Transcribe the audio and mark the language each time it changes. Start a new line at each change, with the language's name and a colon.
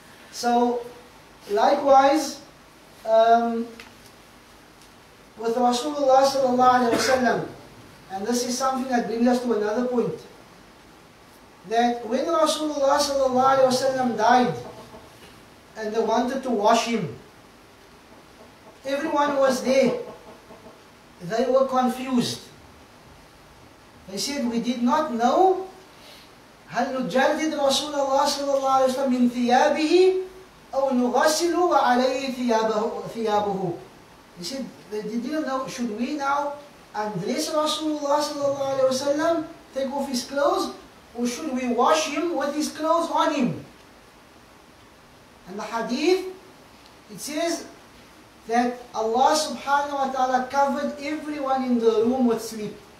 English: So, likewise, with Rasulullah sallallahu alayhi wasallam, and this is something that brings us to another point, that when Rasulullah sallallahu alayhi wasallam died, and they wanted to wash him, everyone was there. They were confused. They said, we did not know.
Arabic: هل نجلد رسول الله صلى الله عليه وسلم من ثيابه أو نغسل وعليه ثيابه.
English: They said, they didn't know, should we now undress Rasulullah صلى الله عليه وسلم, take off his clothes, or should we wash him with his clothes on him? And the hadith, it says that Allah subhanahu wa ta'ala covered everyone in the room with sleep.